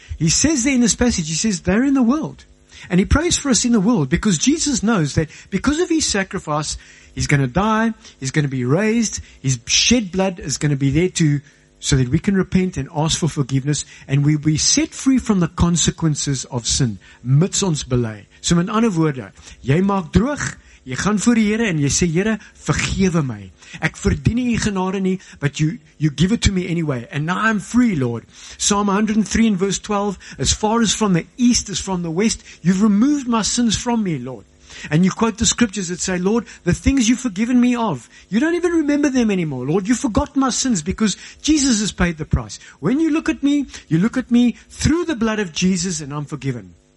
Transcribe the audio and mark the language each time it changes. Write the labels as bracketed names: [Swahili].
[English] He says there in this passage, he says they're in the world. And he prays for us in the world because Jesus knows that because of his sacrifice, he's going to die, he's going to be raised, his shed blood is going to be there too, so that we can repent and ask for forgiveness, and we'll be set free from the consequences of sin. [Afrikaans] Mits ons belei. So in ander woorde, jy maak droog, jy gaan voor die Here en jy sê, Here, vergewe my. Ek verdien nie genade nie, [English] but you give it to me anyway. And now I'm free, Lord. Psalm 103 and verse 12, as far as from the east as from the west, you've removed my sins from me, Lord. And you quote the scriptures that say, Lord, the things you've forgiven me of, you don't even remember them anymore. Lord, you've forgotten my sins because Jesus has paid the price. When you look at me through the blood of Jesus and I'm forgiven.